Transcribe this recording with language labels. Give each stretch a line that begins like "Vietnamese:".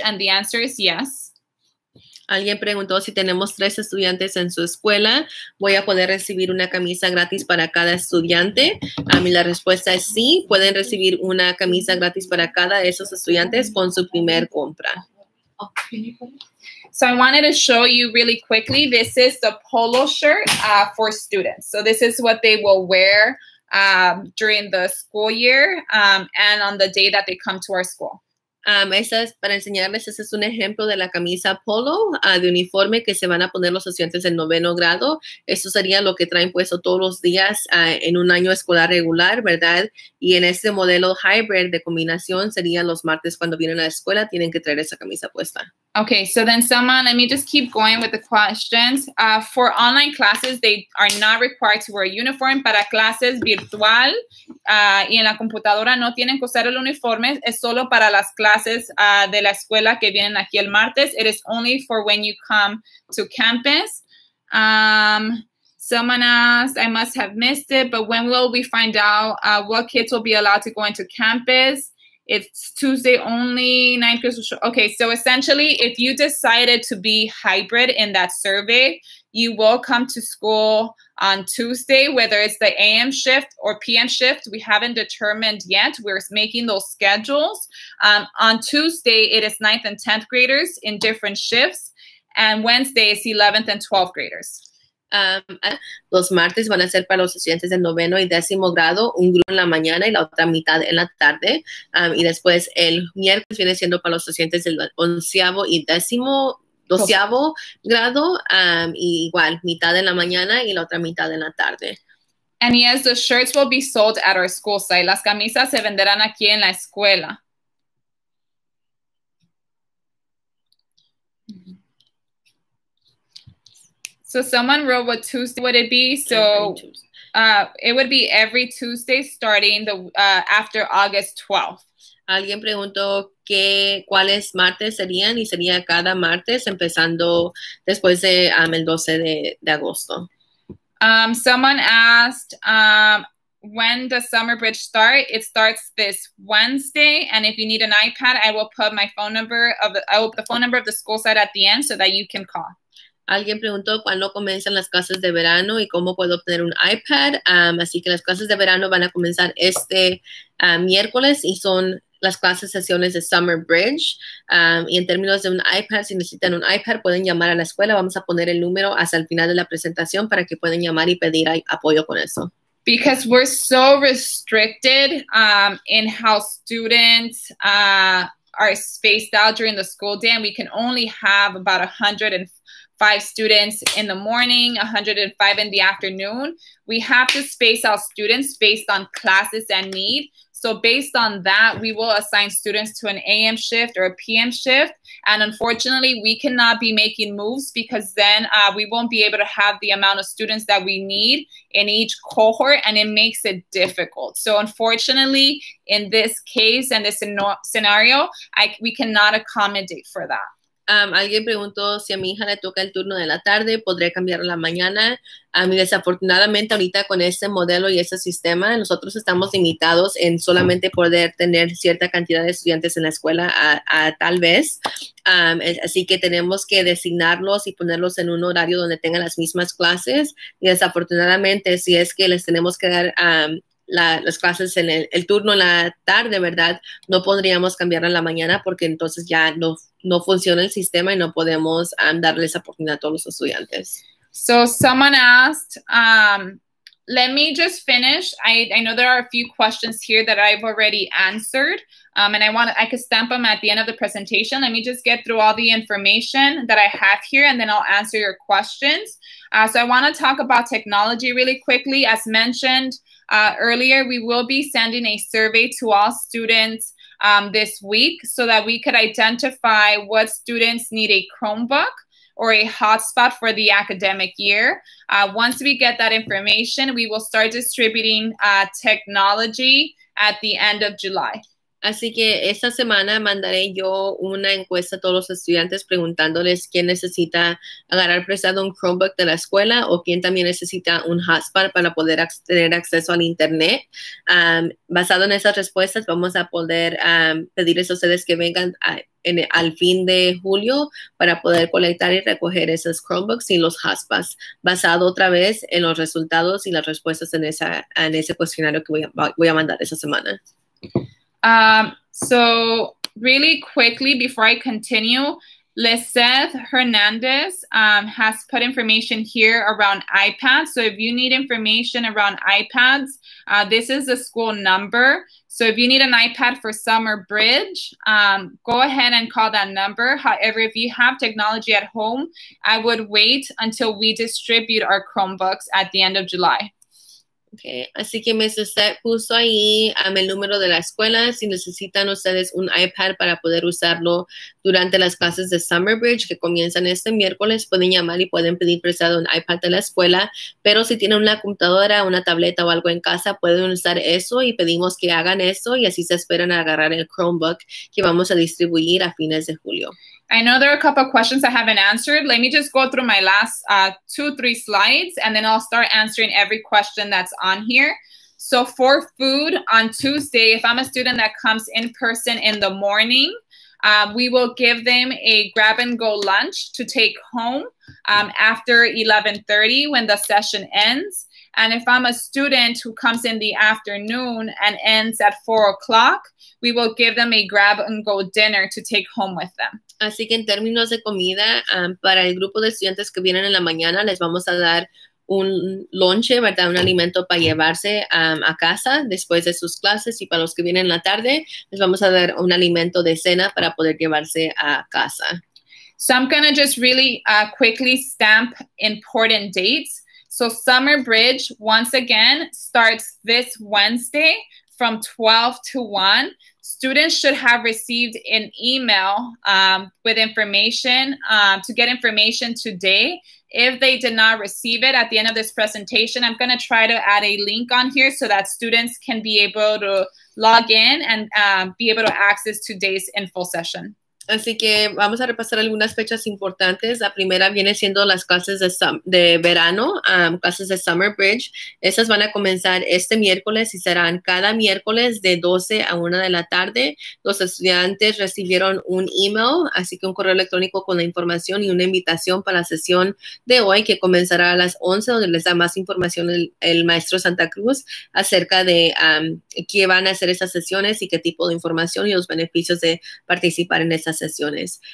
English: And the answer is yes.
Spanish: Alguien preguntó si tenemos 3 estudiantes en su escuela, voy a poder recibir una camisa gratis para cada estudiante. A mí la respuesta es sí, pueden recibir una camisa gratis para cada de esos estudiantes con su primer compra.
English: So I wanted to show you really quickly, this is the polo shirt for students. So this is what they will wear during the school year and on the day that they come to our school.
Spanish: Esa es para enseñarles, ese es un ejemplo de la camisa polo de uniforme que se van a poner los estudiantes en noveno grado. Eso sería lo que traen puesto todos los días en un año escolar regular, ¿verdad? Y en este modelo hybrid de combinación sería los martes cuando vienen a la escuela, tienen que traer esa camisa puesta.
English: Okay, so then someone, let me just keep going with the questions. For online classes, they are not required to wear a uniform.
Spanish: Para clases virtual y en la computadora no tienen que usar el uniforme, es solo para las clases de la escuela que vienen aquí el martes.
English: It is only for when you come to campus. Someone asked, I must have missed it, but when will we find out what kids will be allowed to go into campus? It's Tuesday only, 9th grade. Okay, so essentially, if you decided to be hybrid in that survey, you will come to school on Tuesday, whether it's the AM shift or PM shift. We haven't determined yet. We're making those schedules. On Tuesday, it is 9th and 10th graders in different shifts. And Wednesday is 11th and 12th graders.
Spanish: Los martes van a ser para los estudiantes de noveno y décimo grado, un grupo en la mañana y la otra mitad en la tarde. Y después el miércoles viene siendo para los estudiantes del onceavo y décimo, doceavo grado, y igual, mitad en la mañana y la otra mitad en la tarde.
English: And yes, the shirts will be sold at our school site.
Spanish: Las camisas se venderán aquí en la escuela.
English: So someone wrote what Tuesday would it be? So it would be every Tuesday starting the after August 12th.
Spanish: Alguien preguntó cuáles martes serían y sería cada martes empezando después de el 12 de agosto.
English: Someone asked when does Summer Bridge start? It starts this Wednesday, and if you need an iPad, I will put my phone number of the, I will put the phone number of the school site at the end so that you can call.
Spanish: Alguien preguntó cuándo comienzan las clases de verano y cómo puedo obtener un iPad. Así que las clases de verano van a comenzar este miércoles y son las clases sesiones de Summer Bridge. Y en términos de un iPad, si necesitan un iPad, pueden llamar a la escuela. Vamos a poner el número hasta el final de la presentación para que puedan llamar y pedir apoyo con eso.
English: Because we're so restricted in how students are spaced out during the school day, and we can only have about 105 students in the morning, 105 in the afternoon. We have to space out students based on classes and need. So based on that, we will assign students to an AM shift or a PM shift. And unfortunately, we cannot be making moves because then we won't be able to have the amount of students that we need in each cohort, and it makes it difficult. So unfortunately, in this case and this scenario, we cannot accommodate for that.
Spanish: Alguien preguntó si a mi hija le toca el turno de la tarde, ¿podría cambiarlo a la mañana? Y desafortunadamente ahorita con este modelo y este sistema, nosotros estamos limitados en solamente poder tener cierta cantidad de estudiantes en la escuela tal vez. Así que tenemos que designarlos y ponerlos en un horario donde tengan las mismas clases. Y desafortunadamente si es que les tenemos que dar las clases en el turno en la tarde, ¿verdad? No podríamos cambiar a la mañana porque entonces ya no funciona el sistema y no podemos darles oportunidad a todos los estudiantes.
English: So someone asked, let me just finish. I know there are a few questions here that I've already answered, and I can stamp them at the end of the presentation. Let me just get through all the information that I have here, and then I'll answer your questions. So I want to talk about technology really quickly. As mentioned earlier, we will be sending a survey to all students this week so that we could identify what students need a Chromebook or a hotspot for the academic year. Once we get that information, we will start distributing technology at the end of July.
Spanish: Así que esta semana mandaré yo una encuesta a todos los estudiantes preguntándoles quién necesita agarrar prestado un Chromebook de la escuela o quién también necesita un hotspot para poder tener acceso al internet. Basado en esas respuestas, vamos a poder pedirles a ustedes que vengan al fin de julio para poder colectar y recoger esos Chromebooks y los hotspots, basado otra vez en los resultados y las respuestas en ese cuestionario que voy a mandar esta semana.
English: So really quickly before I continue, Lizeth Hernandez has put information here around iPads. So if you need information around iPads, this is the school number. So if you need an iPad for summer bridge, go ahead and call that number. However, if you have technology at home, I would wait until we distribute our Chromebooks at the end of July.
Spanish: Okay, así que Mrs. Set puso ahí el número de la escuela. Si necesitan ustedes un iPad para poder usarlo durante las clases de Summer Bridge que comienzan este miércoles, pueden llamar y pueden pedir prestado un iPad de la escuela. Pero si tienen una computadora, una tableta o algo en casa, pueden usar eso y pedimos que hagan eso y así se esperan a agarrar el Chromebook que vamos a distribuir a fines de julio.
English: I know there are a couple of questions I haven't answered. Let me just go through my last two or three slides, and then I'll start answering every question that's on here. So for food on Tuesday, if I'm a student that comes in person in the morning, we will give them a grab-and-go lunch to take home after 11:30 when the session ends. And if I'm a student who comes in the afternoon and ends at 4 o'clock, we will give them a grab-and-go dinner to take home with them.
Spanish: Así que en términos de comida, para el grupo de estudiantes que vienen en la mañana, les vamos a dar un lonche, ¿verdad? Un alimento para llevarse a casa después de sus clases. Y para los que vienen en la tarde, les vamos a dar un alimento de cena para poder llevarse a casa.
English: So I'm going to just really quickly stamp important dates. So Summer Bridge, once again, starts this Wednesday from 12 to 1. Students should have received an email with information to get information today. If they did not receive it at the end of this presentation, I'm going to try to add a link on here so that students can be able to log in and be able to access today's info session.
Spanish: Así que vamos a repasar algunas fechas importantes. La primera viene siendo las clases de verano, clases de Summer Bridge. Esas van a comenzar este miércoles y serán cada miércoles de 12 a 1 de la tarde. Los estudiantes recibieron un email, así que un correo electrónico con la información y una invitación para la sesión de hoy que comenzará a las 11, donde les da más información el maestro Santa Cruz acerca de qué van a hacer esas sesiones y qué tipo de información y los beneficios de participar en esas sesiones.